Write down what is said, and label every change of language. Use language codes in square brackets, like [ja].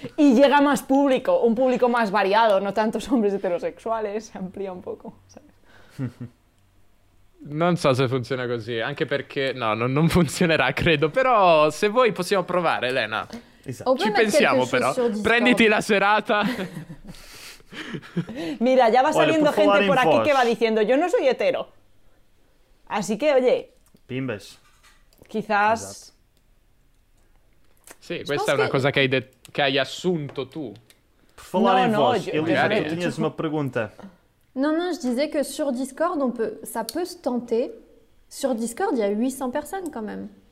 [es] Y llega más público, un público más variado, no tantos hombres heterosexuales, se amplía un poco, ¿sabes? [it] Non so se funziona così, anche perché no, non funzionerà, credo, però se vuoi possiamo provare, Elena. Esatto. Ci pensiamo però. Prenditi la serata. [es] Mira, ya va saliendo gente por aquí que va diciendo, "Yo no soy hetero." Así que, oye, pimbes. Quizás. [it] Sí, questa è una cosa che hai assunto tu. [pt] Por falar [es] en voz, Elena, tenías una pregunta. [fr] Non, je disais que sur Discord, ça peut se tenter. Sur Discord, il y a 800 personnes quand même.